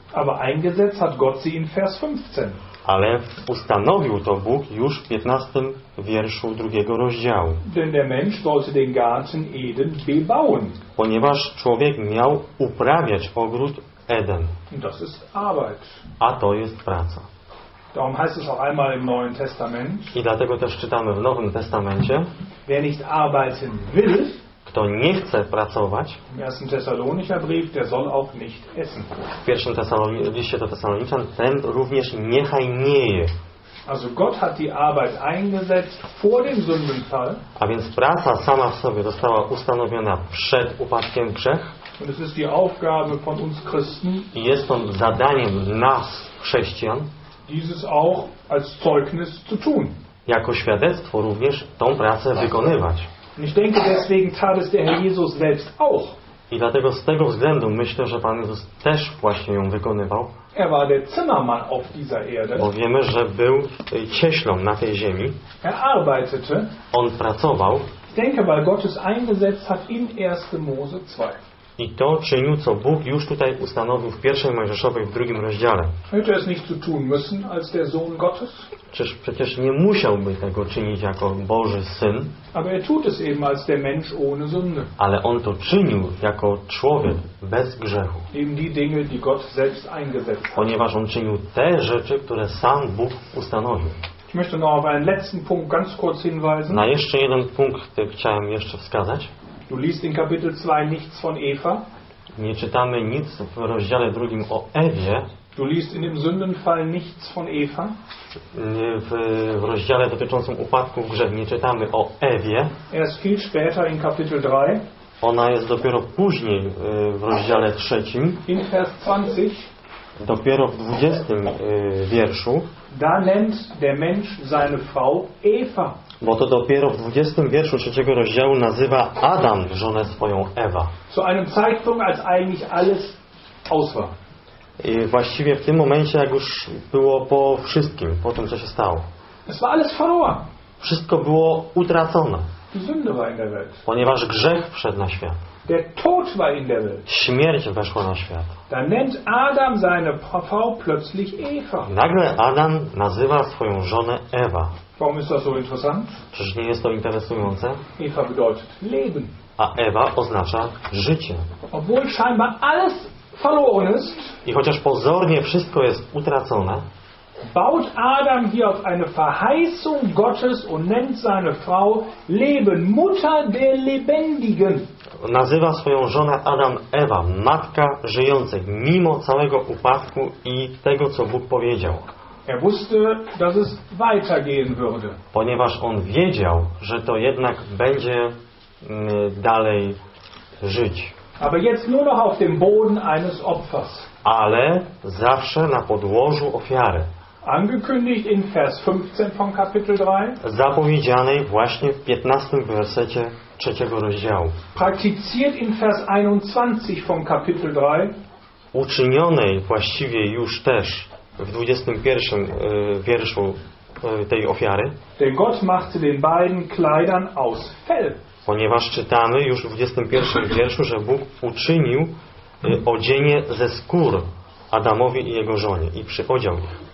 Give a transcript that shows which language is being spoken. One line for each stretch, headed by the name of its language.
German: Aber eingesetzt hat Gott sie in Vers 15.
Polish: Ale ustanowił to Bóg już w 15 wierszu drugiego rozdziału.
German: Denn der Mensch sollte den Garten Eden bebauen.
Polish: Ponieważ człowiek miał uprawiać ogród Eden.
German: Das ist Arbeit.
Polish: A to jest praca.
German: Darum heißt es auch einmal im Neuen Testament.
Polish: I dlatego też czytamy w Nowym Testamencie.
German: Wer nicht arbeiten will,
Polish: kto nie chce pracować,
German: im ersten Thessalonicher Brief, der soll auch nicht essen.
Polish: W pierwszym liście do Thessaloniczan ten również niechaj nie je.
German: Also Gott hat die Arbeit eingesetzt vor dem Sündenfall.
Polish: A więc praca sama w sobie została ustanowiona przed upadkiem grzech.
German: Und es ist die Aufgabe von uns Christen,
Polish: jest to zadaniem nas, chrześcijan,
German: dieses auch als Zeugnis zu tun.
Polish: Jako świadectwo również tą pracę wykonywać.
German: Und ich denke, deswegen tat es der Herr Jesus selbst auch.
Polish: I dlatego z tego względu myślę, że Pan Jezus też właśnie ją wykonywał.
German: Er war der Zimmermann auf dieser Erde.
Polish: Bo wiemy, że był cieślą na tej ziemi.
German: Er arbeitete.
Polish: On pracował.
German: Ich denke, weil Gott es eingesetzt hat in 1. Mose 2.
Polish: I to czynił, co Bóg już tutaj ustanowił w pierwszej Mojżeszowej w drugim rozdziale.
German: Hätte es nicht zu tun müssen als der Sohn Gottes?
Polish: Czyż przecież nie musiałby tego czynić jako Boży Syn?
German: Aber er tut es eben als der Mensch ohne Sünde.
Polish: Ale on to czynił jako człowiek bez grzechu.
German: Eben die Dinge, die Gott selbst eingesetzt hat.
Polish: Ponieważ on czynił te rzeczy, które sam Bóg ustanowił.
German: Ich möchte noch auf einen letzten Punkt ganz kurz hinweisen.
Polish: Na jeszcze jeden punkt chciałem jeszcze wskazać.
German: Du liest in Kapitel 2 nichts von Eva.
Polish: Nie czytamy nic w rozdziale drugim o Ewie.
German: Du liest in dem Sündenfall nichts von Eva.
Polish: W rozdziale dotyczącym upadku w grzech nie czytamy o Ewie.
German: Erst viel später in Kapitel 3.
Polish: Ona jest dopiero później w rozdziale trzecim.
German: In Vers 20.
Polish: Dopiero w 20 wierszu.
German: Da nennt der Mensch seine Frau Eva.
Polish: Bo to dopiero w 20 wierszu trzeciego rozdziału nazywa Adam żonę swoją Ewa.
German: Zu einem Zeitpunkt, als eigentlich alles aus war.
Polish: I właściwie w tym momencie, jak już było po wszystkim, po tym, co się stało.
German: Es war alles verloren.
Polish: Wszystko było utracone.
German: Die Sünde war in der Welt.
Polish: Ponieważ grzech wszedł na świat.
German: Der Tod war in der Welt.
Polish: Śmierć weszła na świat.
German: Da nennt Adam seine Frau plötzlich Eva.
Polish: Nagle Adam nazywa swoją żonę Ewa.
German: Warum ist das so interessant?
Polish: Czyż nie jest to interesujące?
German: Eva bedeutet Leben.
Polish: A Ewa oznacza życie.
German: Obwohl scheinbar alles verloren ist,
Polish: i chociaż pozornie wszystko jest utracone,
German: baut Adam hier auf eine Verheißung Gottes und nennt seine Frau Leben, Mutter der Lebendigen.
Polish: Nazywa swoją żonę Adam Ewa, matka żyjących, mimo całego upadku i tego, co Bóg powiedział.
German: Er wusste, dass es weitergehen würde.
Polish: Ponieważ on wiedział, że to jednak będzie dalej żyć.
German: Aber jetzt nur noch auf dem Boden eines Opfers.
Polish: Ale zawsze na podłożu ofiary.
German: Angekündigt in Vers 15 von Kapitel 3.
Polish: Zapowiedzianej właśnie w 15 wersecie trzeciego rozdziału.
German: Praktiziert in Vers 21 von Kapitel 3.
Polish: Uczynionej właściwie już też w 21 wierszu tej ofiary.
German: Denn Gott machte den beiden Kleidern aus Fell.
Polish: Ponieważ czytamy już w 21 wierszu, że Bóg uczynił odzienie ze skór Adamowi i jego żonie i przyodział ich.